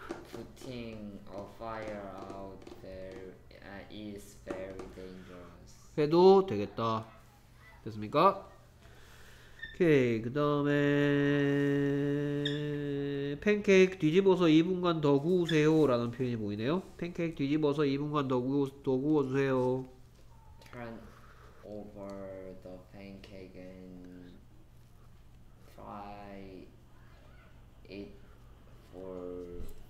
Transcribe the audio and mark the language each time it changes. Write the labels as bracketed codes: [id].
[en] Putting a fire out there is very dangerous. [ko] 해도 되겠다. 됐습니까? 오케이. 그 다음에 팬케이크 뒤집어서 2분간 더 구우세요 라는 표현이 보이네요. 팬케이크 뒤집어서 2분간 더 구워주세요. [en] Turn over the pancake and fry it for